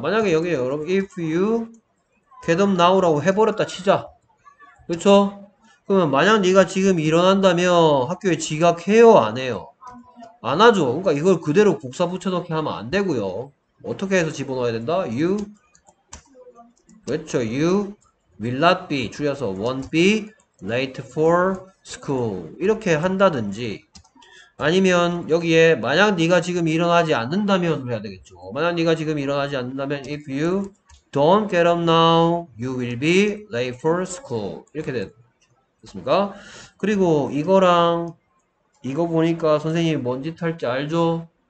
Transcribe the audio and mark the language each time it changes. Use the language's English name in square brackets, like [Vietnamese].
[Korean] 만약에 여기에 여러분 [English] if you get up now [Korean] 라고 해버렸다 치자. 그렇죠? 그러면 만약 네가 지금 일어난다면 학교에 지각해요 안 해요? 안 하죠. 그러니까 이걸 그대로 복사 붙여넣기 하면 안 되고요. 어떻게 해서 집어넣어야 된다? [English] You, 그렇죠. You will not be, [Korean] 줄여서 [English] won't be late for school. [Korean] 이렇게 한다든지, 아니면 여기에 만약 네가 지금 일어나지 않는다면 해야 되겠죠. 만약 네가 지금 일어나지 않는다면 [English] if you don't get up now, you will be late for school. [Korean] 이렇게 됐습니까? 그리고 이거랑 이거 보니까 선생님이 뭔짓 할지 알죠?